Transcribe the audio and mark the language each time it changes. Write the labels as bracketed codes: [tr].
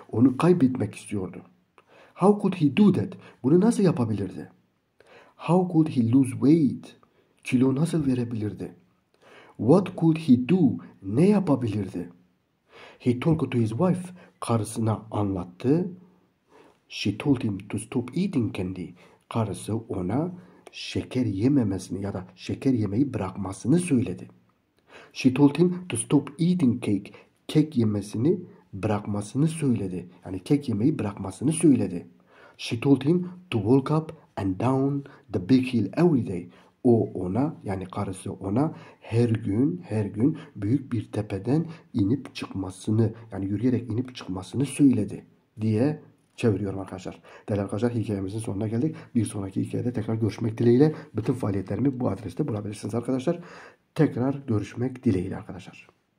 [tr] Onu kaybetmek istiyordu. [en] How could he do that? [tr] Bunu nasıl yapabilirdi? [en] How could he lose weight? [tr] Kilo nasıl verebilirdi? [en] What could he do? [tr] Ne yapabilirdi? [en] He talked to his wife. [tr] Karısına anlattı. [en] She told him to stop eating candy. [tr] Karısı ona şeker yememesini ya da şeker yemeyi bırakmasını söyledi. [en] She told him to stop eating cake. [tr] Kek yemesini bırakmasını söyledi. Yani kek yemeyi bırakmasını söyledi. She told him to walk up and down the big hill every day. O ona, yani karısı ona her gün büyük bir tepeden inip çıkmasını, yani yürüyerek inip çıkmasını söyledi diye çeviriyorum arkadaşlar. Değerli arkadaşlar hikayemizin sonuna geldik. Bir sonraki hikayede tekrar görüşmek dileğiyle. Bütün faaliyetlerimi bu adreste bulabilirsiniz arkadaşlar. Tekrar görüşmek dileğiyle arkadaşlar.